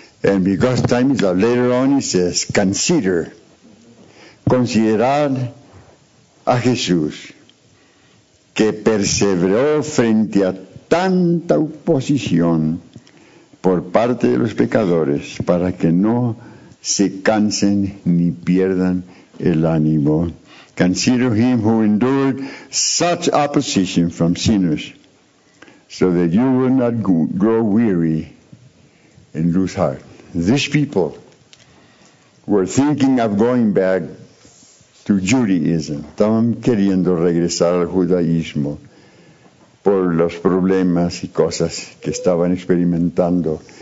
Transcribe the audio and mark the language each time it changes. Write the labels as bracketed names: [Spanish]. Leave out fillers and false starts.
[English] And because time is up, later on he says, consider. [Spanish] Considerar a Jesús, que perseveró frente a tanta oposición por parte de los pecadores para que no se cansen ni pierdan el ánimo. [English] Consider him who endured such opposition from sinners, so that you will not grow weary and lose heart. These people were thinking of going back to Judaism. [Spanish] Estaban queriendo regresar al judaísmo por los problemas y cosas que estaban experimentando.